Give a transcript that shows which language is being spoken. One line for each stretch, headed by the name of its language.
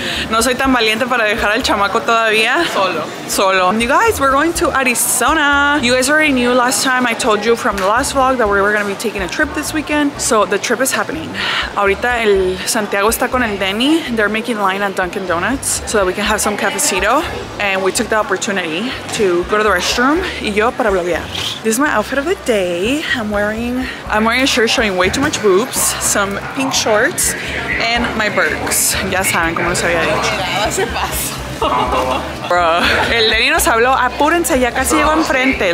Spanish: No soy tan valiente para dejar al chamaco todavía. Solo.
English: You guys, we're going to Arizona. You guys already knew last time I told you from the last vlog that we were going to be taking a trip this weekend. So the trip is happening.
Spanish: Ahorita el Santiago está con el Denny.
English: They're making line at Dunkin' Donuts so that we can have some cafecito. And we took the opportunity to go to the restroom
Spanish: y yo para bloguear.
English: This is my outfit of the day. I'm wearing a shirt showing way too much boobs, some pink shorts, and my Birks.
Spanish: Ya saben cómo se había dicho. Bro, el Lenny nos habló, apúrense, ya casi llego enfrente.